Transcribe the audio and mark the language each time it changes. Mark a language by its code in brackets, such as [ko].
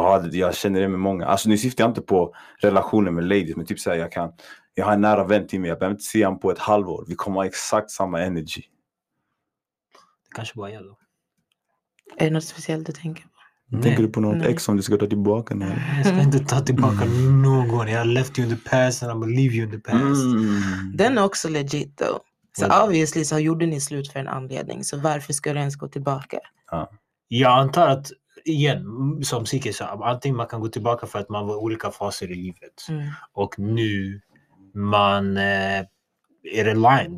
[sv] Jag känner det med många. Alltså nu syftar jag inte på relationer med ladies, men typ såhär, jag har en nära vän till mig, jag behöver inte se honom på ett halvår. Vi kommer ha exakt samma energy. Det kanske bara jag då. Är det något speciellt du tänker på? Tänker du på något ex som du ska ta tillbaka nu? Jag ska inte ta tillbaka någon. Jag [en] left you in the past and I'm gonna leave you in the past. [sv] Den är också legit då. Så obviously så gjorde ni slut för en anledning. Så varför ska du ens gå tillbaka? Jag antar att igen, som Sike sa, allting man kan gå tillbaka för att man var olika faser i livet. Mm. Och nu man är aligned.